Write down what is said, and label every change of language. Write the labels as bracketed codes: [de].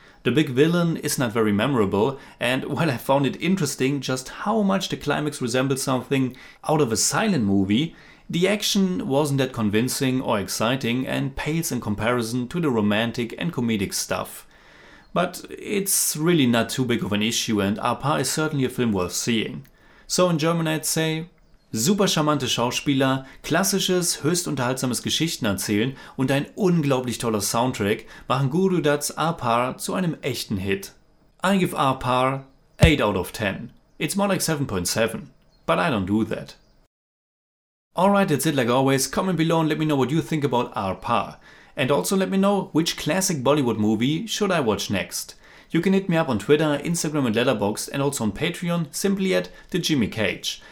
[en] The big villain is not very memorable, and while I found it interesting just how much the climax resembles something out of a silent movie, the action wasn't that convincing or exciting and pales in comparison to the romantic and comedic stuff. But it's really not too big of an issue and Aar-Paar is certainly a film worth seeing. So in German I'd say, [de] super charmante Schauspieler, klassisches, höchst unterhaltsames Geschichten erzählen und ein unglaublich toller Soundtrack machen Guru Dutt's Aar-Paar zu einem echten Hit. [en] I give Aar-Paar 8 out of 10. It's more like 7.7, but I don't do that. Alright, that's it like always. Comment below and let me know what you think about Aar-Paar. And also let me know which classic Bollywood movie should I watch next. You can hit me up on Twitter, Instagram and Letterboxd, and also on Patreon simply at The Jimmy Cage.